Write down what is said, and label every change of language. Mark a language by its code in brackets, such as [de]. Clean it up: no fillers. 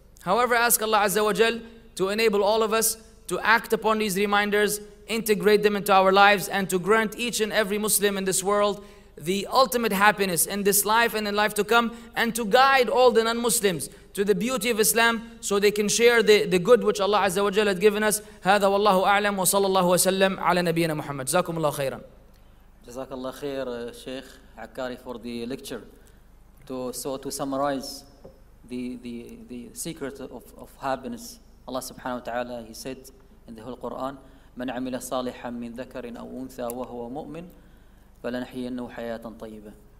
[en] However, ask Allah Azza wa Jal to enable all of us to act upon these reminders, integrate them into our lives, and to grant each and every Muslim in this world the ultimate happiness in this life and in life to come, and to guide all the non-Muslims to the beauty of Islam so they can share the good which Allah Azza wa Jal had given us. [ar] هذا والله أعلم وصلى الله وسلم على نبينا محمد. جزاكم الله خيرا. جزاك الله خير شيخ [en] Akkari for the lecture. To summarize the secret of happiness, Allah subhanahu wa ta'ala, he said in the whole Quran, [ar] من عمل صالحا من ذكر أو أنثى وهو مؤمن فلنحيينه حياة طيبة.